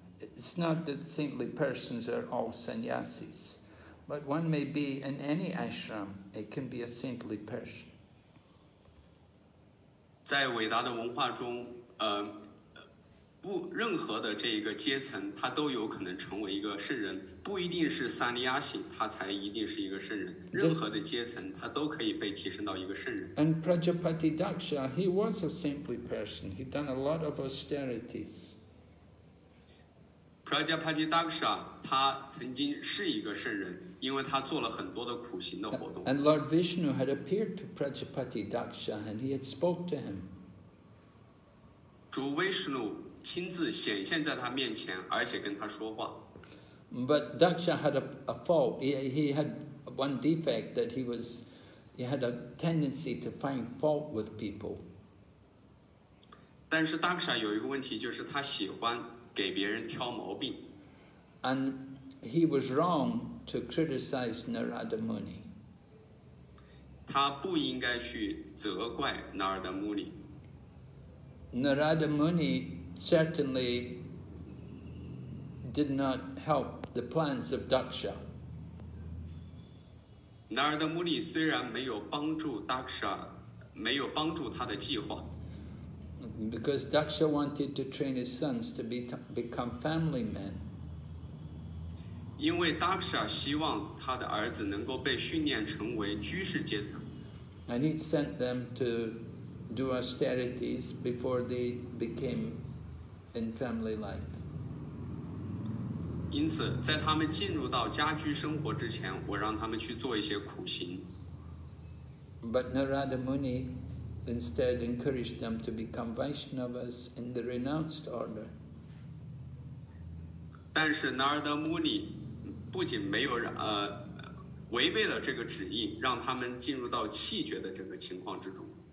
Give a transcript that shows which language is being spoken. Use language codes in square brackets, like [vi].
[en] It's not that saintly persons are all sannyasis, but one may be in any ashram, it can be a saintly person. [zh] 在伟大的文化中，不，任何的这个阶层，他都有可能成为一个圣人，不一定是萨尼亚西，他才一定是一个圣人。任何的阶层，他都可以被提升到一个圣人。 [en] And Prajapati Daksha, he was a saintly person. He done a lot of austerities. [zh] Prajapati Daksha, 他曾经是一个圣人，因为他做了很多的苦行的活动。 [en] And Lord Vishnu had appeared to Prajapati Daksha, and he had spoke to him. [zh] 主维斯努亲自显现在他面前，而且跟他说话。 [en] But Daksha had a fault. He had one defect that he had a tendency to find fault with people. [zh] 但是 Daksha 有一个问题，就是他喜欢给别人挑毛病。 [en] And he was wrong to criticize Narada Muni. [zh] 他不应该去责怪 Narada Muni. [en] Narada Muni. Certainly did not help the plans of Daksha. [zh] Narada Muni 虽然没有帮助 Daksha, 没有帮助他的计划。 [en] Because Daksha wanted to train his sons to become family men. [zh] 因为 Daksha 希望他的儿子能够被训练成为居士阶层。 [en] And he sent them to do austerities before they became. In family life. [zh] 因此，在他们进入到家居生活之前，我让他们去做一些苦行。 [en] But Narada Muni instead encouraged them to become Vaishnavas in the renounced order. [zh] 但是 Narada Muni 不仅没有违背了这个旨意，让他们进入到弃绝的这个情况之中。